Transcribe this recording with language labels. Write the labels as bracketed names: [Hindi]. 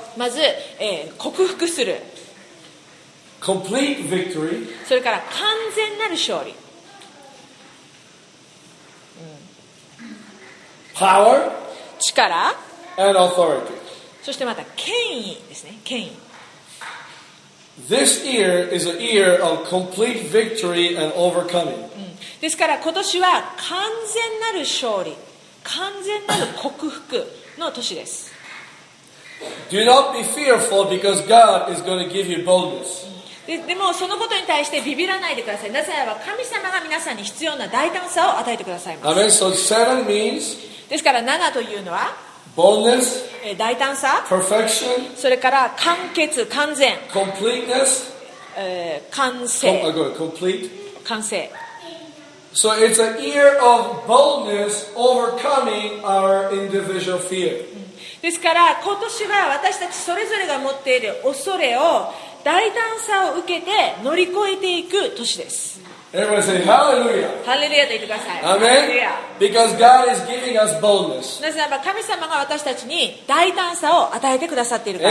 [Japanese] まず、克服する。 [English] Complete victory. [Japanese] それから完全なる勝利。 [English] Power, [Japanese] 力 [English] and authority. [Japanese] そしてまた権威ですね。権威。 [English] This year is a year of complete victory and overcoming. [Japanese] ですから今年は完全なる勝利、完全なる克服の年です。 [English] Do not be fearful because God is going to give you boldness. [Japanese] でもそのことに対してビビらないでください。なぜならば神様が皆さんに必要な大胆さを与えてくださいます。 [English] Amen. So seven means. [Japanese] ですから7というのは [English] Boldness, [Japanese] 大胆さ [English] Perfection, [Japanese] それから完結完全 [English] Completeness, [Japanese] 完成 [English] Complete, [Japanese] 完成 [English] So it's a year of boldness overcoming our individual fear. [Japanese] ですから今年は私たちそれぞれが持っている恐れを大胆さを受けて乗り越えていく年です。 [English] Everybody say hallelujah. [Japanese] Hallelujah と言ってください。 [English] Amen. Because God is giving us boldness. [Japanese] なぜならば神様が私たちに大胆さを与えてくださっているから。